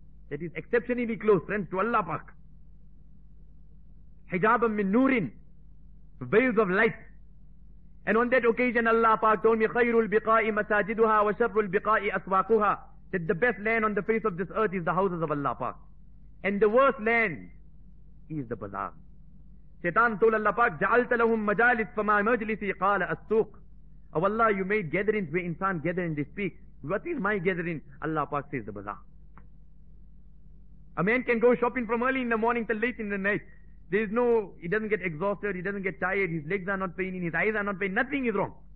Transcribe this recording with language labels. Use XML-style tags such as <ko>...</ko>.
<en>That is exceptionally close, friends, to Allah Pak.</en> <ar>Hijabam min nurin,</ar> <en>veils of light. And on that occasion Allah Pak told me,</en> <ar>khayrul biqai masajiduha wa sharrul biqai aswaquha,</ar> <en>that the best land on the face of this earth is the houses of Allah Pak. And the worst land is the bazaar. Shaitan told Allah Pak,</en> <ar>جَعَلْتَ لَهُمْ مَجَالِسْ فَمَا مَجْلِسِ قَالَ أَسْتُوقِ.</ar> <en>Oh Allah, you made gatherings where insan gather and they speak. What is my gathering? Allah Pak says, the bazaar. A man can go shopping from early in the morning till late in the night. There is no, he doesn't get exhausted, he doesn't get tired, his legs are not paining, his eyes are not paining, nothing is wrong.</en>